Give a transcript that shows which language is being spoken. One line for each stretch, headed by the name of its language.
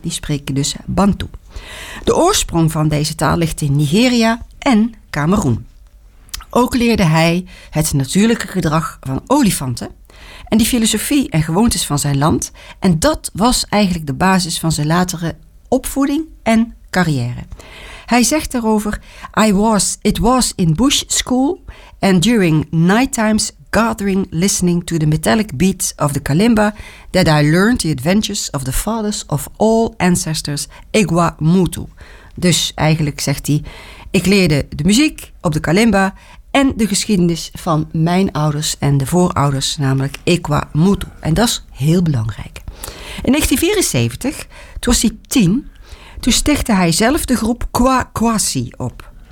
Dutch: Die spreken dus Bantu. De oorsprong van deze taal ligt in Nigeria en Kameroen. Ook leerde hij het natuurlijke gedrag van olifanten en die filosofie en gewoontes van zijn land. En dat was eigenlijk de basis van zijn latere opvoeding en carrière. Hij zegt daarover,
English: It was in bush school and during night times gathering listening to the metallic beats of the kalimba that I learned the adventures of the fathers of all ancestors Igwa Mutu.
Dutch: Dus eigenlijk zegt hij, ik leerde de muziek op de kalimba en de geschiedenis van mijn ouders en de voorouders, namelijk Igwa Mutu. En dat is heel belangrijk. In 1974, toen was hij 10, toen stichtte hij zelf de groep Kwa Kwasi op.